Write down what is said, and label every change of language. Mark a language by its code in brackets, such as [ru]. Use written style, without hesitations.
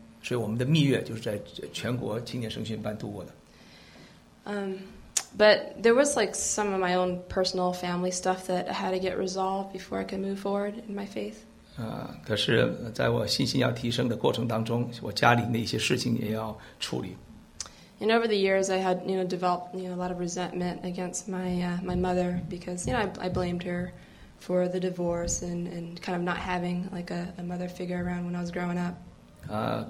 [zh] 所以我们的蜜月就是在全国青年神训班度过的。 [en] But there was like some of my own personal family stuff that I had to get resolved before I could move forward in my faith. [zh] 可是在我信心要提升的过程当中，我家里那些事情也要处理。 [en] And over the years, I had you know developed you know a lot of resentment against my my mother because you know I blamed her for the divorce and kind of not having like a mother figure around when I was growing up.